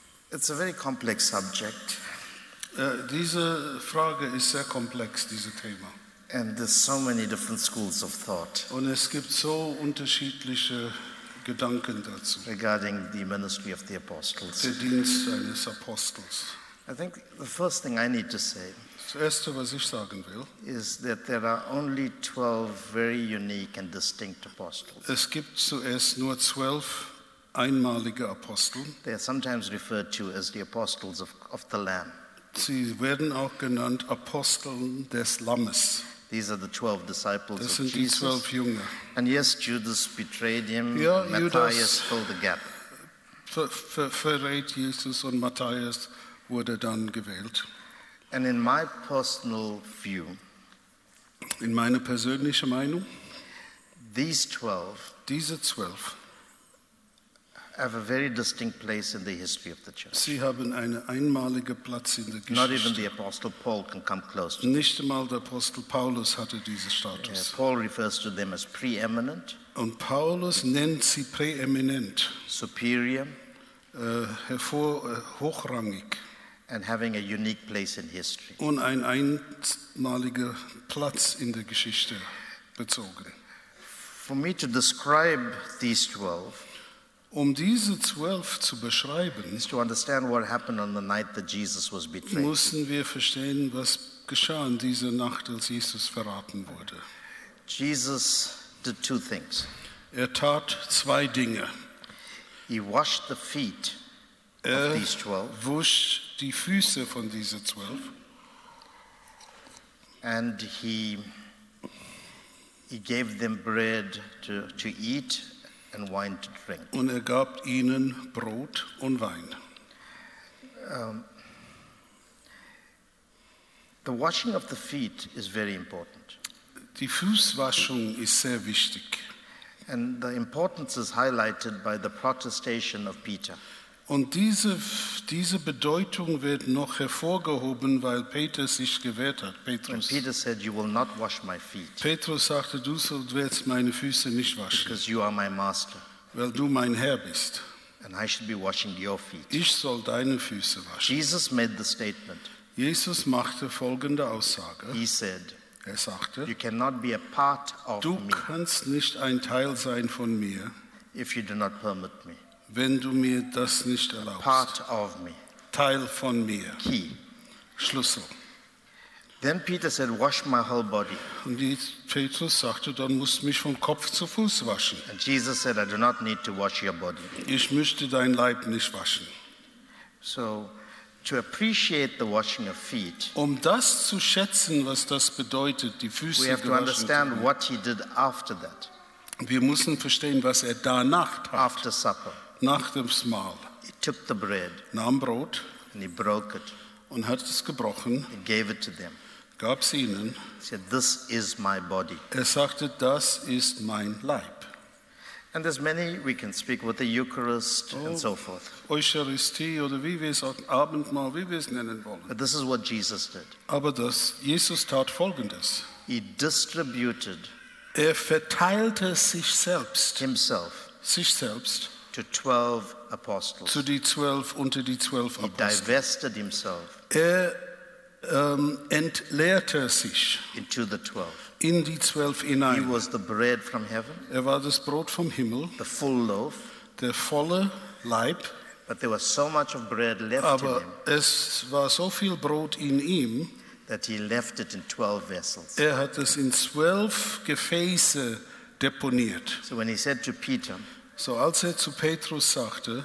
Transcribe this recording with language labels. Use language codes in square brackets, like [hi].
[en] It's a very complex subject. [de] Diese Frage ist sehr komplex, dieses Thema. [en] And there's so many different schools of thought. [de] Und es gibt so unterschiedliche Gedanken dazu. [en] Regarding the ministry of the apostles. [de] Der Dienst eines Apostels. [en] I think the first thing I need to say. [de] Das Erste, was ich sagen will, [en] is that there are only 12 very unique and distinct apostles. [de] Es gibt zuerst nur 12 einmalige Apostel. [en] They are sometimes referred to as the apostles of the Lamb. [de] Sie werden auch genannt Aposteln des Lammes. [en] These are the 12 disciples [de] das [en] of [de] sind [en] Jesus. [de] Die 12 Jünger. [en] And yes, Judas betrayed him. [de] Ja, [en] Matthias filled the gap. [de] Verrät Jesus und Matthias wurde dann gewählt. [en] And in my personal view, [de] in meiner persönlichen Meinung, diese [en] 12 have a very distinct place in the history of the church. [de] Sie haben einen einmaligen Platz in der Geschichte. [en] Not even the apostle Paul can come close to them. [de] Nicht einmal der Apostel Paulus hatte diesen Status. [en] Yeah, Paul refers to them as preeminent. [de] Und Paulus nennt sie präeminent. [en] Superior. [de] Hochrangig. [en] And having a unique place in history. [de] Und ein einmaliger Platz in der Geschichte bezogen. [en] For me to describe these 12. [de] Um diese 12 zu beschreiben, [en] to understand what happened on the night that Jesus was betrayed. [de] Müssen wir verstehen, was geschah in dieser Nacht, als Jesus verraten wurde. [en] Jesus did two things. [de] Er tat zwei Dinge. [en] He washed the feet [de] er [en] of these 12. [de] Wusch die Füße von diesen 12. [en] And he gave them bread to eat. And wine to drink. [de] Und er gab ihnen Brot und Wein. [en] The washing of the feet is very important. [de] Die Fußwaschung ist sehr wichtig. [en] And the importance is highlighted by the protestation of Peter. [de] Und diese Bedeutung wird noch hervorgehoben, weil Peter sich gewehrt hat. [en] And Peter said, you will not wash my feet. [de] Petrus sagte, du sollst meine Füße nicht waschen. [en] Because you are my master. [de] Weil du mein Herr bist. [en] And I should be washing your feet. [de] Ich soll deine Füße waschen. [en] Jesus made the statement. [de] Jesus machte folgende Aussage. [en] He said, [de] er sagte, [en] you cannot be a part of [de] du [en] me. [de] Kannst nicht ein Teil sein von mir, [en] if you do not permit me. [de] Wenn du mir das nicht erlaubst. [en] Part of me. [de] Teil von mir. [en] Key. [de] Schlüssel. [en] Then Peter said, wash my whole body. [de] Und Petrus sagte, dann musst du mich von Kopf zu Fuß waschen. [en] And Jesus said, I do not need to wash your body. [de] Ich möchte dein Leib nicht waschen. [en] So, to appreciate the washing of feet. [de] Um das zu schätzen, was das bedeutet, die Füße gewaschen. [en] We have to understand what he did after that. [de] Wir müssen verstehen, was er danach tat. [en] After supper, [de] nach dem Mahl. [en] He took the bread, [de] nahm Brot [en] and he broke it, [de] und hat es gebrochen. [en] He gave it to them, [de] gab es ihnen. [en] Said, this is my body. [de] Er sagte, das ist mein Leib. [en] And there's many we can speak with the Eucharist and so forth. [de] Eucharistie oder wie wir es auch Abendmahl, wie wir es nennen wollen. [en] But this is what Jesus did. [de] Aber das Jesus tat Folgendes. [en] He distributed. [de] Er verteilte sich selbst. [en] Himself. [de] Sich selbst. [en] to 12 apostles. [de] Zu die 12 unter die 12 [en] Apostel. He divested himself. [de] Er entleerte sich. [en] Into the 12. [de] In die 12 hinein. [en] He was the bread from heaven. [de] Er war das Brot vom Himmel. [en] The full loaf. [de] Der volle Leib. [en] But there was so much of bread left [de] Aber [en] in him. [de] Es war so viel Brot in ihm. [en] That he left it in 12 vessels. [de] Er hat es in 12 Gefäße deponiert. [en] So when he said to Peter, [de] so als er zu Petrus sagte,